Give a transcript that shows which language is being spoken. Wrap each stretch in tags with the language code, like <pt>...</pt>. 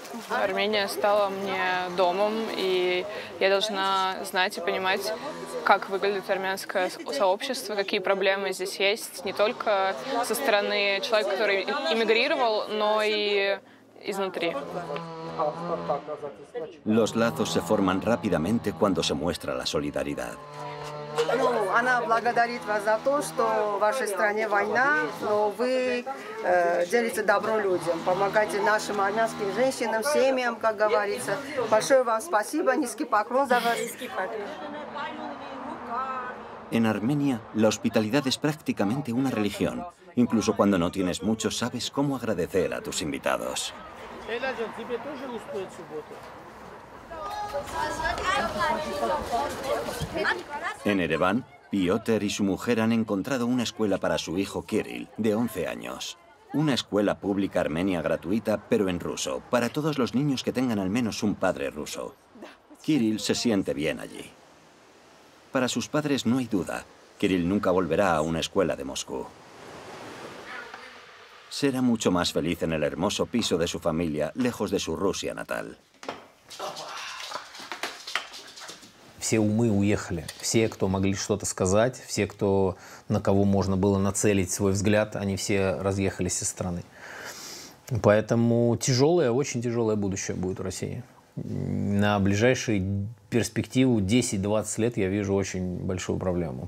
<ru>Армения стала мне домом, и я должна знать и понимать, как выглядит армянское сообщество, какие проблемы здесь есть, не только со стороны человека, который эмигрировал, но и изнутри.</ru> <es>Los lazos se forman rápidamente cuando se muestra la solidaridad.</es> <ru>Она благодарит вас за то, что в вашей стране война, но вы делите добро людям, помогаете нашим армянским женщинам, семьям, как говорится. Большое вам спасибо, низкий поклон за вас.</ru> <es>En Armenia, la hospitalidad es prácticamente una religión. Incluso cuando no tienes mucho, sabes cómo agradecer a tus invitados. En Ereván, Piotr y su mujer han encontrado una escuela para su hijo Kirill, de 11 años. Una escuela pública armenia gratuita, pero en ruso, para todos los niños que tengan al menos un padre ruso. Kirill se siente bien allí. Para sus padres no hay duda, Kirill nunca volverá a una escuela de Moscú. Será mucho más feliz en el hermoso piso de su familia, lejos de su Rusia natal.</es> <ru>Все умы уехали. Все, кто могли что-то сказать, все, кто, на кого можно было нацелить свой взгляд, они все разъехались из страны. Поэтому тяжелое, очень тяжелое будущее будет в России. На ближайшую перспективу 10-20 лет я вижу очень большую проблему.</ru>